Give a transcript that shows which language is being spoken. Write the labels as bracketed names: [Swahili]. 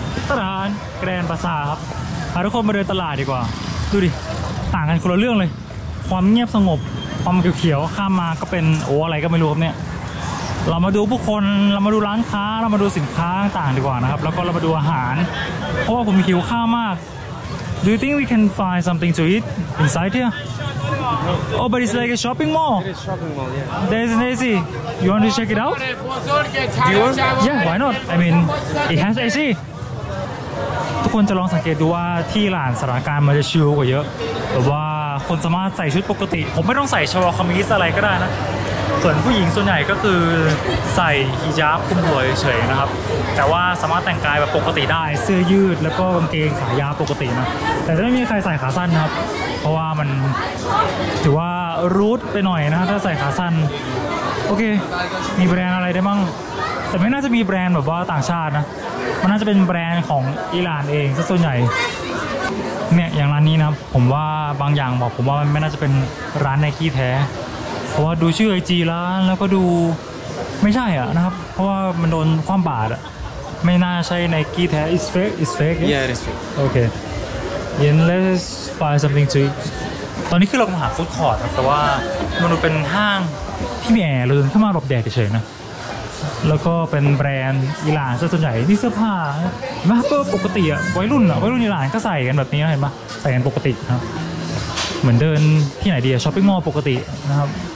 [Thai] ตลาดแกรนด์ปราสาทครับพาทุกคนมาเดินตลาดดีกว่าดูดิต่างกันคนละเรื่องเลยความเงียบสงบความเขียวๆข้ามมาก็เป็นโอ้อะไรก็ไม่รู้ครับเนี่ยเรามาดูผู้คนเรามาดูร้านค้าเรามาดูสินค้าต่างดีกว่านะครับแล้วก็เรามาดูอาหารเพราะว่าผมหิวข้าวมาก [English] Do you think we can find something to eat inside here? Oh, but it's like a shopping mall. It is shopping mall, yeah. There's an AC. You want to check it out? Do you want? Yeah, why not? I mean, it has AC. [Thai] ทุกคนจะลองสังเกตดูว่าที่ร้านสถานการณ์มันจะชิลกว่าเยอะแบบว่าคนสามารถใส่ชุดปกติผมไม่ต้องใส่ชวาคามิสอะไรก็ได้นะส่วนผู้หญิงส่วนใหญ่ก็คือใส่ฮิญาบคุมหัวเฉยๆนะครับแต่ว่าสามารถแต่งกายแบบปกติได้เสื้อยืดแล้วก็กางเกงขายาวปกตินะแต่ไม่มีใครใส่ขาสั้นครับเพราะว่ามัน ถือว่ารูทไปหน่อยนะถ้าใส่ขาสั้นโอเคมีแบรนด์อะไรได้บ้างแต่ไม่น่าจะมีแบรนด์แบบว่าต่างชาตินะมันน่าจะเป็นแบรนด์ของอิหร่านเองซะส่วนใหญ่ เนี่ยอย่างร้านนี้นะผมว่าบางอย่างบอกผมว่ามันไม่น่าจะเป็นร้านไนกี้แท้เพราะว่าดูชื่อ IG ร้านแล้วก็ดูไม่ใช่อ่ะนะครับเพราะว่ามันโดนความบาดอ่ะไม่น่าใช่ไนกี้แท้ [English] It's fake [Thai] Yeah, it's fake [English] Okay Then let's find something to eat [Thai] ตอนนี้คือเรากำลังหาฟู้ดคอร์ทครับแต่ว่ามันดูเป็นห้าง ที่มีแอร์เราเดินเข้ามาหลบแดดเฉยๆนะแล้วก็เป็นแบรนด์อิหร่านซะส่วนใหญ่นี่เสื้อผ้ามาก็ปกติอ่ะวัยรุ่นอิหร่านก็ใส่กันแบบนี้เห็นป่ะใส่กันปกตินะเหมือนเดินที่ไหนดีช้อปปิ้งมอลล์ปกตินะครับ